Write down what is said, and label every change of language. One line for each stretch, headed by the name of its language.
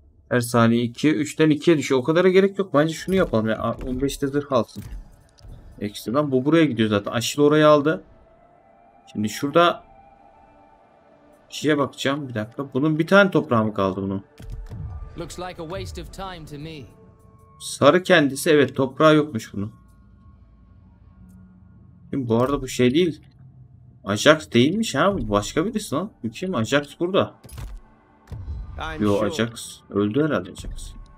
Turkish: Her saniye 2, 3'ten 2'ye düşüyor. O kadara gerek yok. Bence şunu yapalım ya. 15'te zırh alsın. Eksi lan. Bu buraya gidiyor zaten. Aşil orayı aldı. Şimdi şurada şeye bakacağım. Bir dakika. Bunun bir tane toprağı mı kaldı bunun?
English: Looks like a waste of time to me.
Turkish: Sarı kendisi. Evet. Toprağı yokmuş bunun. Şimdi bu arada bu şey değil. Ajax değilmiş ha. Başka birisi lan. Kim? Ajax burada. Yo, Ajax öldü herhalde. Ajax.